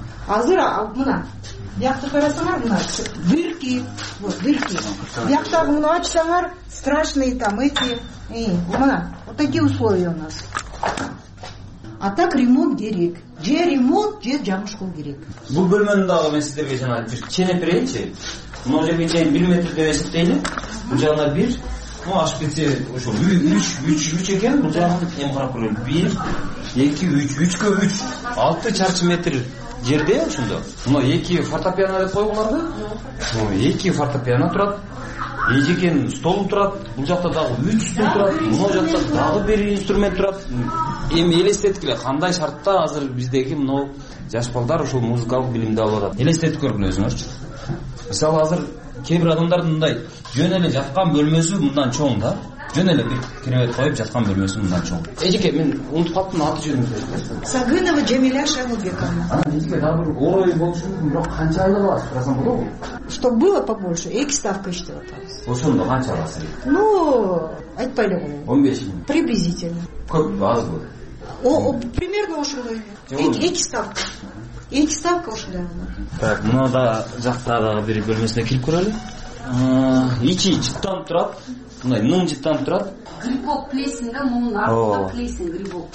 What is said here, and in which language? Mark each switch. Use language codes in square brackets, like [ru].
[ky] Азыр мына биякты карасаңар мына бирки, вот бирки. Биякта муну ачсаңар [ru] страшные там эти. [ky] Мына [ru] вот такие условия у нас. [ky] А так ремонт керек. Же ремонт, же жамышкол керек. Бул бөлмөнүн дагы мен сиздерге жана бир ченеп берейинчи. Муну жерге чейин 1 метр деп эсептейли. Бул жагына 1, ну ашып кетсе ошо 3 экен. Бул жагына эми карап көрөлү. 1, 2, 3, 3кө 3, 6 чарчы метр жерде ошондо. Муну 2 фортепиано деп койгулар да. Ну 2 фортепиано турат. Эжекен стол турат, бул жакта дагы 3 стол турат, мына жакта дагы бир инструмент турат. Эми элестеткиле, кандай шартта азыр биздеги мынау жаш балдар ушул музыкалык билимди алып атат? Элестетип көргүн өзүңөрчү. Мисалы азыр кээ бир адамдардын мындай жөн эле жаткан бөлмөсү мындан чоң да. Жөн эле бир керебет коюп жаткан бөлмөсү мындан чоң. Эжеке, мен унутуп калыптын аты жөнүн. Сагынова Жамиля Шайлыбековна. Эжеке, дагы бир орой болушу мүмкүн, бирок канча айлык алабыз? Сурасаң болобу? [ru] Чтоб было побольше, 2 ставка [ky] иштеп атабыз. Ошондо канча аласыз? Ну, айтпай эле коеюн. 15 миң. [ru] Приблизительно. [ky] Көпбү, азбы? Примерно ошондой эле. 2 ставка. 2 ставка ошондой эле. Так, муну да жакта дагы бир бөлмөсүнө кирип көрөлү. Ичи жыттанып турат. Мындай ным жыттанып турат. Грибок плесень да, мунун артында плесень грибок.